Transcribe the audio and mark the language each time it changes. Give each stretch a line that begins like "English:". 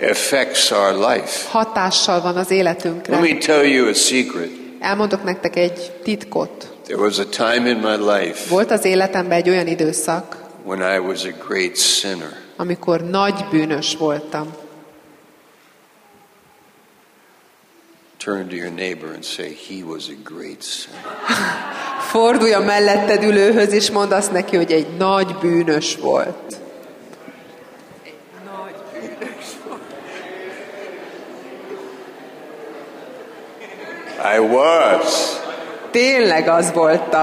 English: Affects our life.
Hungarian: Hatással van az életünkre.
English: Let me tell you a secret.
Hungarian: Elmondok nektek egy titkot.
English: There was a time in my life.
Hungarian: Volt az életemben egy olyan időszak.
English: When I was a great sinner.
Hungarian: Amikor nagy bűnös voltam.
English: Turn to your neighbor and say he was a great sinner.
Hungarian: Fordulj a melletted ülőhöz és mondd azt neki, hogy egy nagy bűnös volt.
English: I was.
Hungarian: Tényleg az voltam.